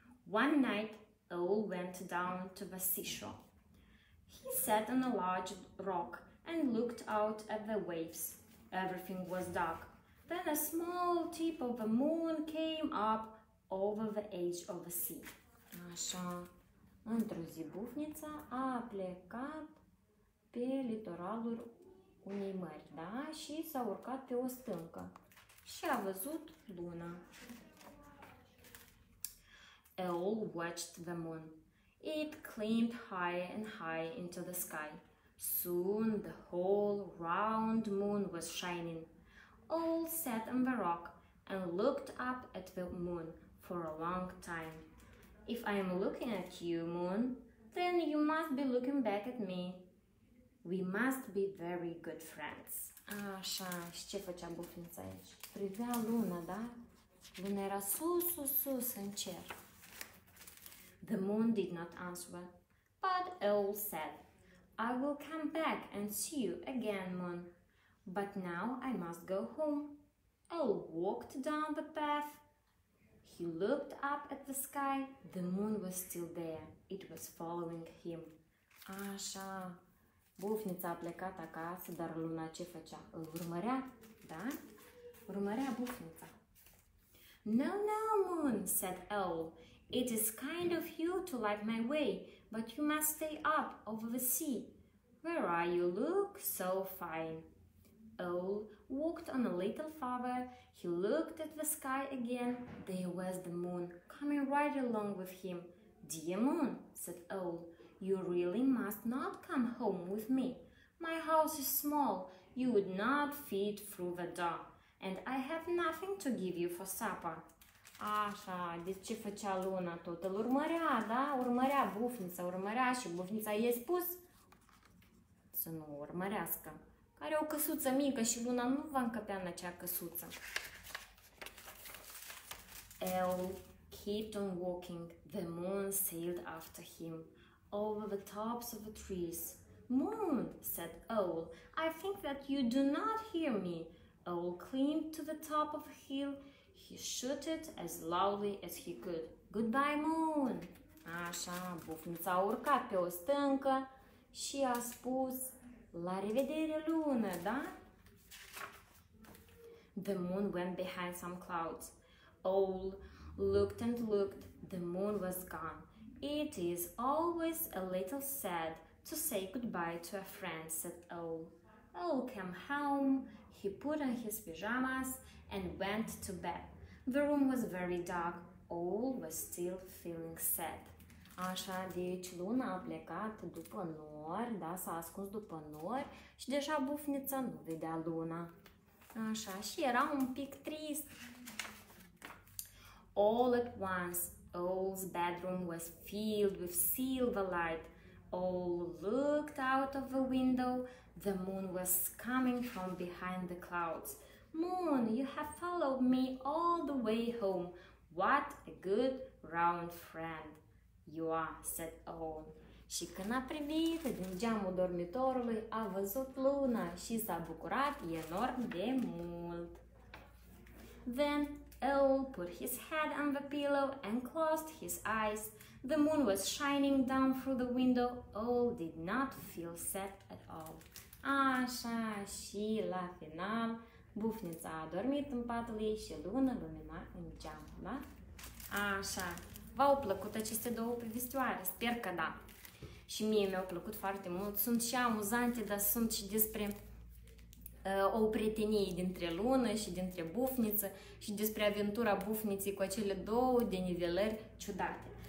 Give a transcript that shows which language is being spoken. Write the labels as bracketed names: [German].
[English] One night, Owl went down to the seashore. He sat on a large rock and looked out at the waves. Everything was dark. Then a small tip of the moon came up over the edge of the sea. [Romanian] Așa. Într-o zi, bufnița a plecat pe litoralul unei mări, da? Și s-a urcat pe o stâncă și a văzut luna. [English] Owl watched the moon. It climbed high and high into the sky. Soon the whole round moon was shining. Owl sat on the rock and looked up at the moon for a long time. If I am looking at you, moon, then you must be looking back at me. We must be very good friends. [Romanian] Așa, și ce făcea bufnița aici? Privea luna, da? Luna era sus, sus, sus în cer. [English] The moon did not answer, but Owl said, I will come back and see you again, moon. But now I must go home. Owl walked down the path. He looked up at the sky. The moon was still there. It was following him. [Romanian] Așa. Bufnița a plecat acasă, dar luna ce făcea? Îl urmărea, da? Urmărea bufnița. [English] No, no, moon, said Owl. It is kind of you to like my way, but you must stay up over the sea. Where are you? Look so fine. Owl walked on a little farther. He looked at the sky again. There was the moon coming right along with him. Dear moon, said Owl, you really must not come home with me. My house is small. You would not fit through the door. And I have nothing to give you for supper. [Romanian] Așa, deci ce făcea luna tot? Îl urmărea, da? Urmărea bufnița, urmărea și bufnița i-a spus să nu urmărească. Are o căsuță mică și luna nu va încăpea în acea căsuță. [English] Owl kept on walking. The moon sailed after him over the tops of the trees. Moon, said Owl, I think that you do not hear me. Owl climbed to the top of a hill. He shouted as loudly as he could. Goodbye, moon! [Romanian] Așa, bufnița a urcat pe o stâncă și a spus la revedere, lună, da? [English] The moon went behind some clouds. Owl looked and looked. The moon was gone. It is always a little sad to say goodbye to a friend, said Owl. Owl came home. He put on his pajamas and went to bed. The room was very dark. Owl was still feeling sad. [Romanian] Așa, deci luna a plecat după nori, da, s-a ascuns după nori și deja bufnița nu vedea luna. Așa, și era un pic trist. [English] All at once, Owl's bedroom was filled with silver light. Owl looked out of the window. The moon was coming from behind the clouds. Moon, you have followed me all the way home. What a good round friend you are, said Owl. [Romanian] Și când a privit din geamul dormitorului, a văzut luna și s-a bucurat enorm de mult. [English] Then Owl put his head on the pillow and closed his eyes. The moon was shining down through the window. Owl did not feel sad at all. [Romanian] Așa, și la final, bufnița a dormit în patul ei și luna lumina în geam, da? Așa, v-au plăcut aceste două povestioare? Sper că da. Și mie mi-au plăcut foarte mult. Sunt și amuzante, dar sunt și despre o prietenie dintre lună și dintre bufniță și despre aventura bufniței cu acele două denivelări ciudate.